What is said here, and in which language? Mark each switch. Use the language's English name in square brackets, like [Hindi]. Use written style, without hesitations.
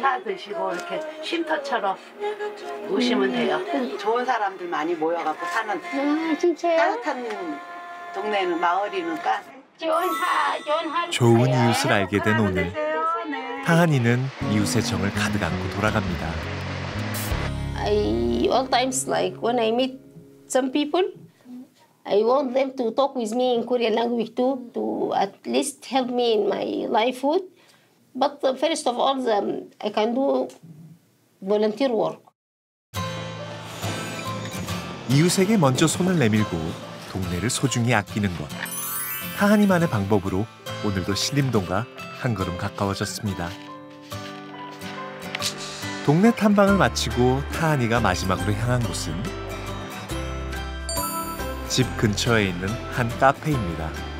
[Korean] 차 드시고 이렇게 쉼터처럼 오시면 돼요. 좋은 사람들 많이 모여갖고 사는 진짜요? 따뜻한 동네는 마을이니까. 좋은 이웃을 알게 된 오늘. 타하니는 이웃의 정을 가득 안고 돌아갑니다. [English] I all times like when I meet some people, I want them to talk with me in Korean language too, to at least help me in my livelihood. But first of all, I can do volunteer work. [Korean] 이웃에게 먼저 손을 내밀고 동네를 소중히 아끼는 것. 타하니만의 방법으로 오늘도 신림동과 한 걸음 가까워졌습니다. 동네 탐방을 마치고 타하니가 마지막으로 향한 곳은 집 근처에 있는 한 카페입니다.